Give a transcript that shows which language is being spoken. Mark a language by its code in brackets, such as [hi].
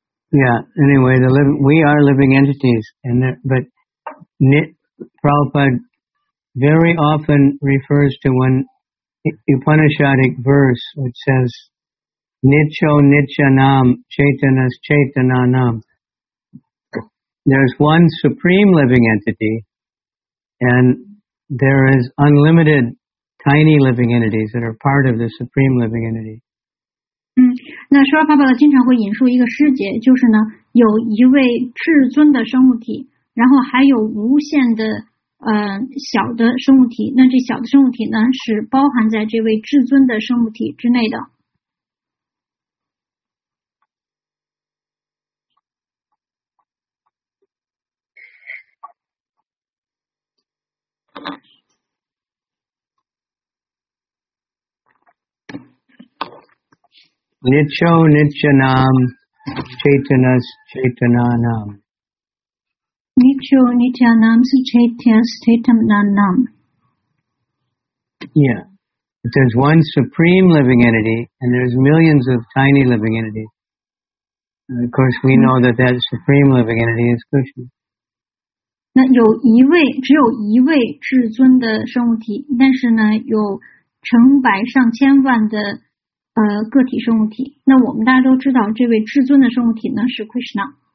[en] Yeah, anyway, we are living entities, but Prabhupada very often refers to one Upanishadic verse which says, [sa] Nicho Nichanam Chaitanas Chaitananam. [en] There's one supreme living entity, and there is unlimited tiny living entities that are part of the supreme living entity. [zh] 嗯，那说法宝经常会引述一个师节，就是呢，有一位至尊的生物体，然后还有无限的小的生物体。那这小的生物体呢，是包含在这位至尊的生物体之内的。 [sa] Nicho Nityanam Chaitanas Chaitananam. Nicho Nityanam Chaitanas Chaitananam. [en] Yeah. But there's one supreme living entity and there's millions of tiny living entities. And of course, we know that that supreme living entity is Krishna. [zh] 那有一位，只有一位至尊的生物体，但是呢，有成百上千万的个体生物体，那我们大家都知道这位至尊的生物体呢是 Krishna。